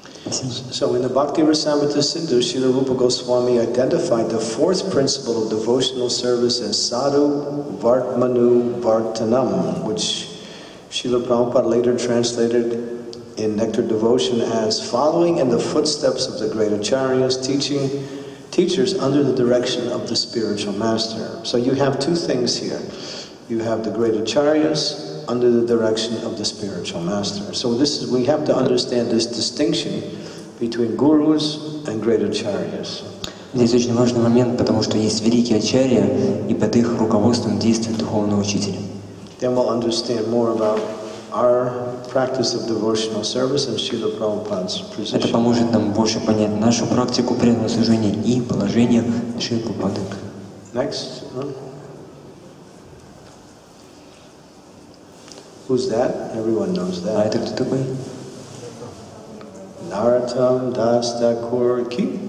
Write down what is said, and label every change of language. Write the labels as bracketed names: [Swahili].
[English] So in the Bhakti Rasamrita Sindhu, Srila Rupa Goswami identified the fourth principle of devotional service as sadhu vartmanu vartanam, which Srila Prabhupada later translated in Nectar Devotion as following in the footsteps of the great acharyas, teachers under the direction of the spiritual master. So you have two things here. You have the great acharyas under the direction of the spiritual master. So this is, we have to understand this distinction between gurus and great acharyas. [Russian] Здесь очень важный момент, потому что есть великие ачарьи, и под их руководством действует духовный учитель. [English] Then we'll understand more about our practice of devotional service and Srila Prabhupada's position. [Russian] Это поможет нам больше понять нашу практику преданного служения и положение Шрилы Прабхупады. [English] Next. Who's that? Everyone knows that. [Russian] А это кто такой? [Hindi] Narottam Das Thakur Ki.